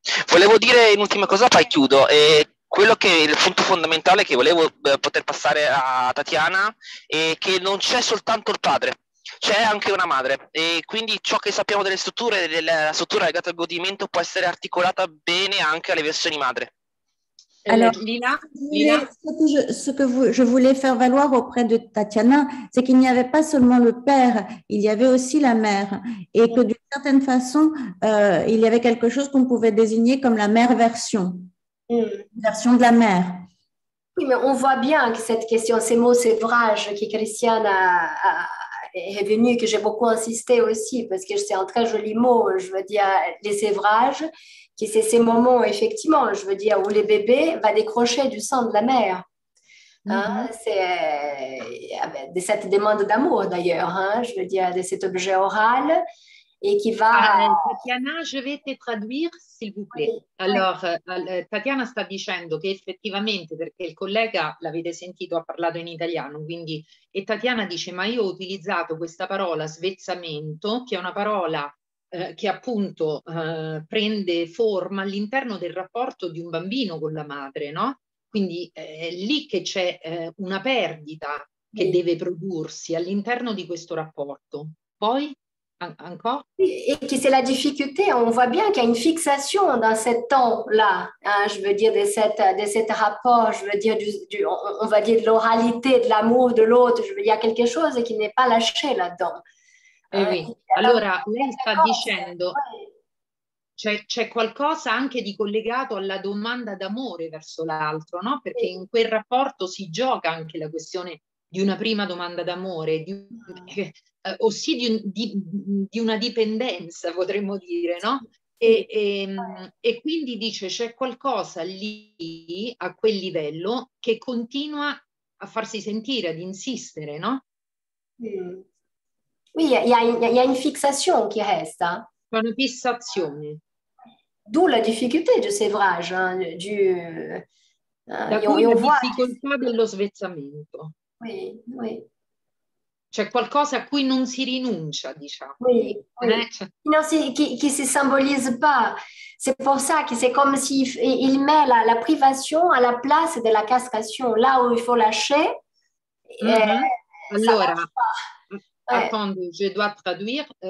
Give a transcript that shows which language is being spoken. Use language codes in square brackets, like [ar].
[it] Volevo dire un'ultima cosa, poi chiudo. Quello che è il punto fondamentale che volevo poter passare a Tatiana è che non c'è soltanto il padre, c'è anche una madre. E quindi ciò che sappiamo delle strutture, della struttura legata al godimento, può essere articolata bene anche alle versioni madre. [fr] Alors, Lina, ce que je voulais faire valoir auprès de Tatiana, c'est qu'il n'y avait pas seulement le père, il y avait aussi la mère, et que d'une certaine façon, il y avait quelque chose qu'on pouvait désigner comme la mère version, version de la mère. Oui, mais on voit bien que cette question, ces mots, ces vrages que Christiane est venue, que j'ai beaucoup insisté aussi, parce que c'est un très joli mot, je veux dire, les vrages, qui c'est ces moments, effectivement, je veux dire, où le bébé va décrocher du sein de la mère. Hein? C'est de cette demande d'amour, d'ailleurs, hein? Je veux dire, de cet objet oral, et qui va... Tatiana, je vais te traduire, s'il vous plaît. Oui. [it] Alors, Tatiana sta dicendo che effettivamente, perché il collega, l'avete sentito, ha parlato in italiano, quindi, e Tatiana dice, ma io ho utilizzato questa parola, svezzamento, che è una parola... che appunto prende forma all'interno del rapporto di un bambino con la madre, no? Quindi è lì che c'è una perdita che deve prodursi all'interno di questo rapporto. Poi, ancora? E che c'è la difficoltà, [fr] on voit bien qu'il y a une fixation dans ce temps-là, hein, je veux dire, de cet rapport, je veux dire, on va dire, de l'oralité, de l'amour de l'autre, je veux dire, quelque chose qui n'est pas lâché là-dedans. Oui. [it] Allora, lei sta dicendo, c'è qualcosa anche di collegato alla domanda d'amore verso l'altro, no? Perché in quel rapporto si gioca anche la questione di una prima domanda d'amore, di una dipendenza, potremmo dire, no? E quindi dice, c'è qualcosa lì, a quel livello, che continua a farsi sentire, ad insistere, no? [fr] Oui, il y a une fixation qui reste. Hein. Une fixation. D'où la difficulté de ces vrages. Hein, la difficulté de [it] lo svezzamento. [fr] Oui. [it] C'è qualcosa a cui non si rinuncia, diciamo. [fr] Oui. Non, qui ne se symbolise pas. C'est pour ça que c'est comme s'il met la privation à la place de la castration, là où il faut lâcher. [it] Allora. [fr] Attendo, je dois traduire.